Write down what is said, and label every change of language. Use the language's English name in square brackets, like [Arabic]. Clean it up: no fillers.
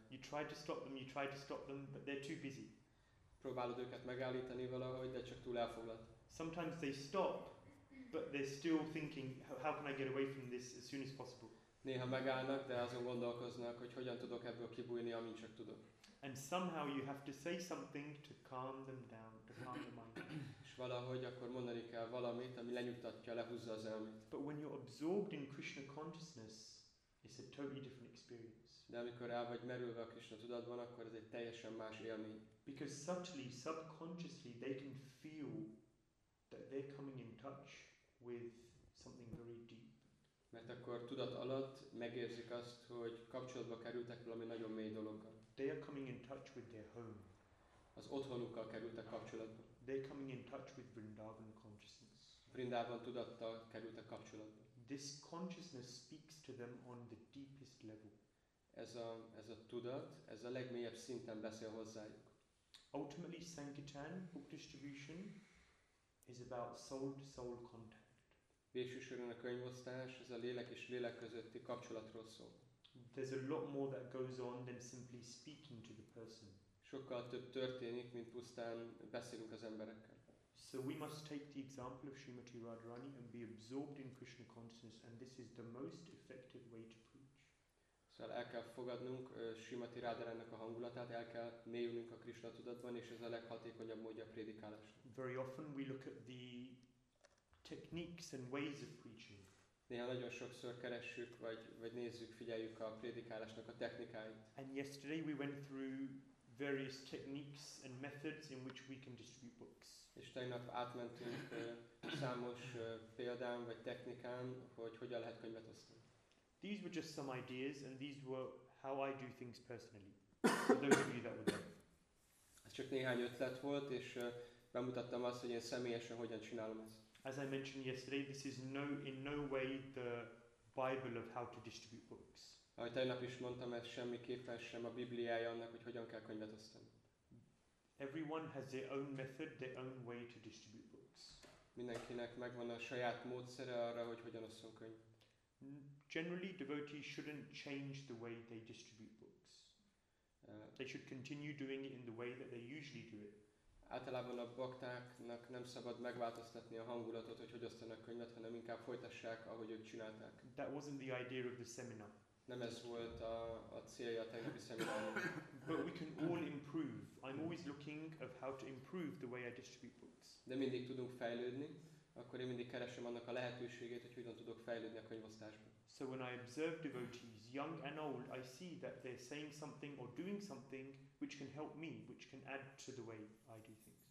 [English] You try to stop them, but they're too busy. [Hungarian] Próbálod őket megállítani valahogy, de csak túl elfoglalt. [English] Sometimes they stop, but they're still thinking, how can I get away from this as soon as possible? [Hungarian] Néha megállnak, de azon gondolkoznak, hogy hogyan tudok ebből kibújni, amint csak tudok. [English] And somehow you have to say something to calm them down, to calm the mind. [Hungarian] És valahogy akkor mondani kell valamit, ami lenyugtatja, lehúzza az elmét. [English] But when you're absorbed in Krishna consciousness, it's a totally different experience. [Hungarian] De amikor el vagy merülve a Krishna tudatban, akkor ez egy teljesen más élmény. [English] Because subtly, subconsciously, they can feel that they're coming in touch with something very deep. [Hungarian] Mert akkor tudat alatt megérzik azt, hogy kapcsolatba kerültek valami nagyon mély dologgal. [English] They are coming in touch with their home. [Hungarian] Az otthonukkal kerültek kapcsolatba. [English] They're coming in touch with Vrindavan consciousness. [Hungarian] Vrindavan tudattal kerültek kapcsolatba. [English] This consciousness speaks to them on the deepest level. [Hungarian] Ez a tudat, ez a legmélyebb szinten beszél hozzájuk. [English] Ultimately, Sankirtan book distribution is about soul-to-soul contact. [Hungarian] Végsősorban a könyvosztás, ez a lélek és lélek közötti kapcsolatról szól. [English] There's a lot more that goes on than simply speaking to the person. [Hungarian] Sokkal több történik, mint pusztán beszélünk az emberekkel. [English] So we must take the example of Srimati Radharani and be absorbed in Krishna consciousness, and this is the most effective way to preach. [Hungarian] Szóval el kell fogadnunk Srimati Radharani-nak a hangulatát, el kell mélyülnünk a Krishna tudatban, és ez a leghatékonyabb módja a prédikálásnak. [English] Very often we look at the techniques and ways of preaching. [Hungarian] Néha nagyon sokszor keressük, vagy nézzük, figyeljük a prédikálásnak a technikáit. [English] And yesterday we went through various techniques and methods in which we can distribute books. [Hungarian] És tegnap átmentünk számos példán vagy technikán, hogy hogyan lehet könyvet osztani. [English] These were just some ideas, and these were how I do things personally. For those of you that were there. [Hungarian] Ez csak néhány ötlet volt, és bemutattam azt, hogy én személyesen hogyan csinálom ezt. [English] As I mentioned yesterday, this is in no way the Bible of how to distribute books. [Hungarian] Ahogy tegnap is mondtam, ez semmiképpen sem a Bibliája annak, hogy hogyan kell könyvet osztani. [English] Everyone has their own method, their own way to distribute books. [Hungarian] Mindenkinek megvan a saját módszere arra, hogy hogyan osszon könyvet. [English] Generally, devotees shouldn't change the way they distribute books. They should continue doing it in the way that they usually do it. [Hungarian] Általában a baktáknak nem szabad megváltoztatni a hangulatot, hogy osztanak könyvet, hanem inkább folytassák, ahogy ők csinálták. [English] That wasn't the idea of the seminar. [Hungarian] Nem ez volt a célja a tegnapi szemináron. [English] But we can all improve. I'm always looking of how to improve the way I distribute books. [Hungarian] De mindig tudunk fejlődni, akkor én mindig keresem annak a lehetőségét, hogy hogyan tudok fejlődni a könyvosztásban. [English] So when I observe devotees, young and old, I see that they're saying something or doing something which can help me, which can add to the way I do things.